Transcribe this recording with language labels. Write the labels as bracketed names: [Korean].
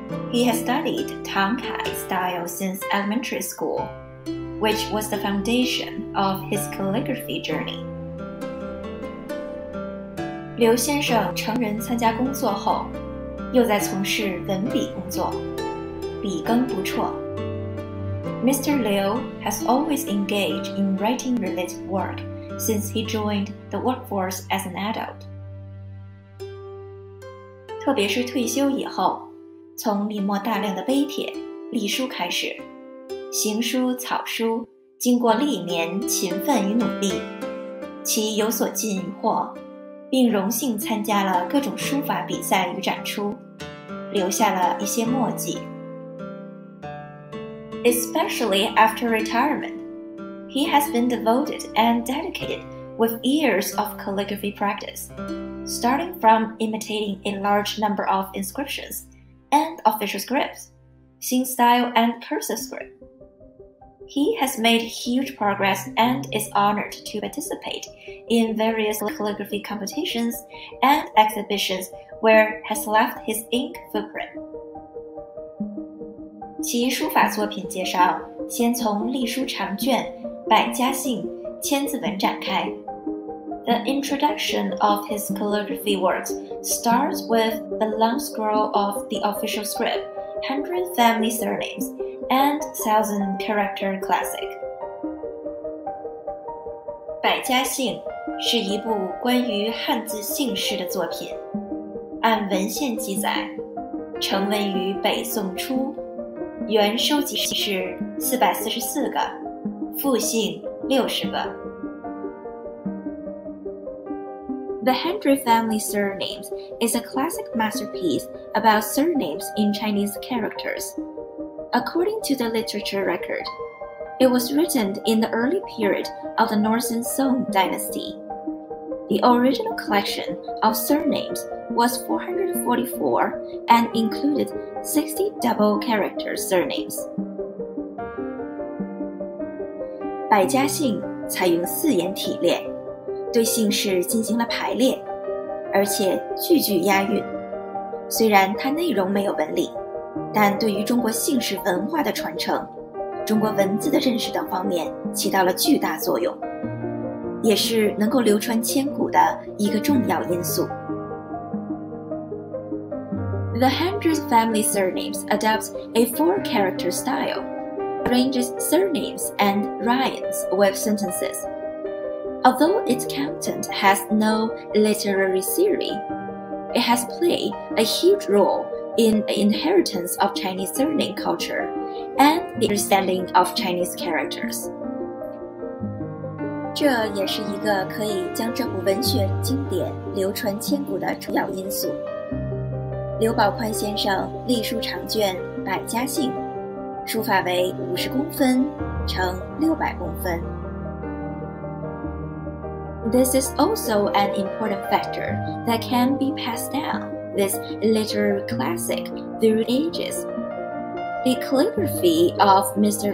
[English] He has studied Tang Kai style since elementary school, which was the foundation of his calligraphy journey. [Chinese] 刘先生成人参加工作后，又在从事文笔工作，笔耕不辍。 [English] Mr. Liu has always engaged in writing-related work since he joined the workforce as an adult. [Chinese] 特别是退休以后，从临摹大量的碑帖、隶书开始，行书、草书，经过历年勤奋与努力，其有所进获。并荣幸参加了各种书法比赛与展出，留下了一些墨迹。 [English] Especially after retirement, he has been devoted and dedicated with years of calligraphy practice, starting from imitating a large number of inscriptions and official scripts, Xing style and cursive script. He has made huge progress and is honored to participate. In various calligraphy competitions and exhibitions where has left his ink footprint. [Chinese] 其书法作品介绍先从隶书长卷、百家姓、千字文展开。 [English] The introduction of his calligraphy works starts with the long scroll of the official script, 100 family surnames, and 1000 character classic. [Chinese] 百家姓是一部关于汉字姓氏的作品，按文献记载，成文于北宋初，原收集姓氏444个，复姓60个。 [English] The Hundred Family Surnames is a classic masterpiece about surnames in Chinese characters. According to the literature record,It was written in the early period of the Northern Song Dynasty. The original collection of surnames was 444 and included 60 double-character surnames. [Chinese] 百家姓采用四言体列，对姓氏进行了排列，而且句句押韵。虽然它内容没有纹理，但对于中国姓氏文化的传承中国文字的认识等方面起到了巨大作用，也是能够流传千古的一个重要因素。 [English] The Hundred Family Surnames adopts a four-character style, arranges surnames and rhymes with sentences. Although its content has no literary theory, it has played a huge role in the inheritance of Chinese surname cultureand the understanding of Chinese characters. [Chinese] 这也是一个可以将这部文学经典流传千古的重要因素。刘宝宽先生隶书长卷百家姓，书法为50公分乘600公分。 [English] This is also an important factor that can be passed down, this literary classic through agesThe calligraphy of Mr.